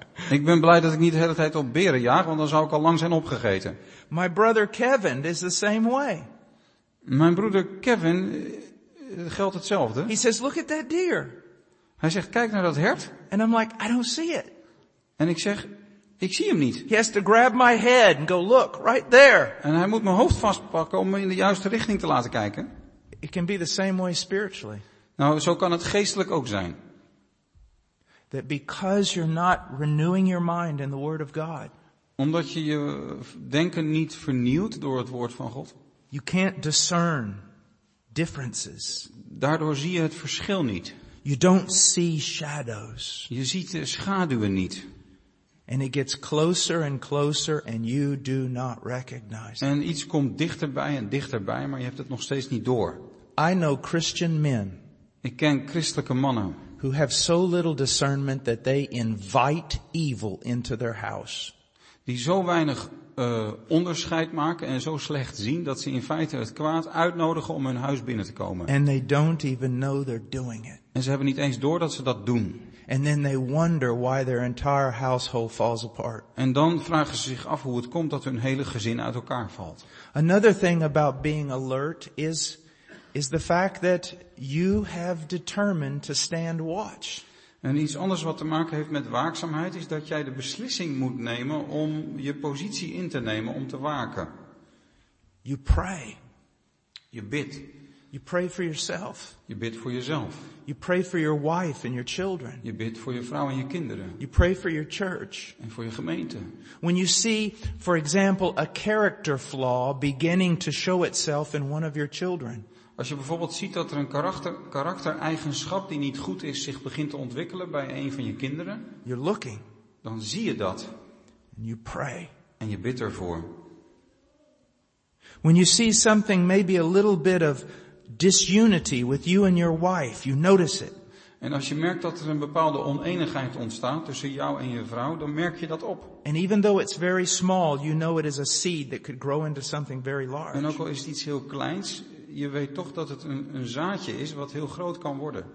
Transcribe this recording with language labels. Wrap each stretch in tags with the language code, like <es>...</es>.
<nl>Ik ben blij dat ik niet de hele tijd op beren jaag, want dan zou ik al lang zijn opgegeten.</nl> <en>My brother Kevin is the same way.</en> <nl>Mijn broeder Kevin geldt hetzelfde.</nl> <en>He says, "Look at that deer."</en> <nl>Hij zegt, kijk naar dat hert.</nl> <en>And I'm like, "I don't see it."</en> <nl>En ik zeg, ik zie hem niet.</nl> <en>He has to grab my head and go, "Look, right there."</en> <nl>En hij moet mijn hoofd vastpakken om me in de juiste richting te laten kijken.</nl> <en>It can be the same way spiritually.</en> <nl>Nou, zo kan het geestelijk ook zijn.</nl> <en>That because you're not renewing your mind in the Word of God.</en> <nl>Omdat je je denken niet vernieuwt door het woord van God.</nl> <en>You can't discern differences.</en> <nl>Daardoor zie je het verschil niet.</nl> <en>You don't see shadows.</en> <nl>Je ziet de schaduwen niet.</nl> <en>And it gets closer and closer and you do not recognize.</en> <nl>En iets komt dichterbij en dichterbij, maar je hebt het nog steeds niet door.</nl> <en>I know Christian men.</en> <nl>Ik ken christelijke mannen.</nl> <en>Who have so little discernment that they invite evil into their house.</en> <nl>Die zo weinig onderscheid maken en zo slecht zien dat ze in feite het kwaad uitnodigen om hun huis binnen te komen.</nl> <en>And they don't even know they're doing it.</en> <nl>En ze hebben niet eens door dat ze dat doen.</nl> <en>And then they wonder why their entire household falls apart.</en> <nl>En dan vragen ze zich af hoe het komt dat hun hele gezin uit elkaar valt.</nl> <en>Another thing about being alert is the fact that you have determined to stand watch.</en> <nl>En iets anders wat te maken heeft met waakzaamheid is dat jij de beslissing moet nemen om je positie in te nemen om te waken.</nl> <en>You pray.</en> <nl>Je bidt.</nl> <en>You pray for yourself.</en> <nl>Je bidt voor jezelf.</nl> <en>You pray for your wife and your children.</en> <nl>Je bidt voor je vrouw en je kinderen.</nl> <en>You pray for your church.</en> <nl>En voor je gemeente.</nl> <en>When you see, for example, a character flaw beginning to show itself in one of your children.</en> <nl>Als je bijvoorbeeld ziet dat er een karaktereigenschap die niet goed is zich begint te ontwikkelen bij een van je kinderen,</nl> <en>you're looking,</en> <nl>dan zie je dat.</nl> <en>And you pray.</en> <nl>En je bidt ervoor.</nl> <en>When you see something maybe a little bit of disunity with you and your wife, you notice it.</en> <nl>En als je merkt dat er een bepaalde oneenigheid ontstaat tussen jou en je vrouw, dan merk je dat op.</nl> <en>And even though it's very small, you know it is a seed that could grow into something very large.</en> <nl>En ook al is het iets heel kleins, je weet toch dat het een zaadje is wat heel groot kan worden.</nl>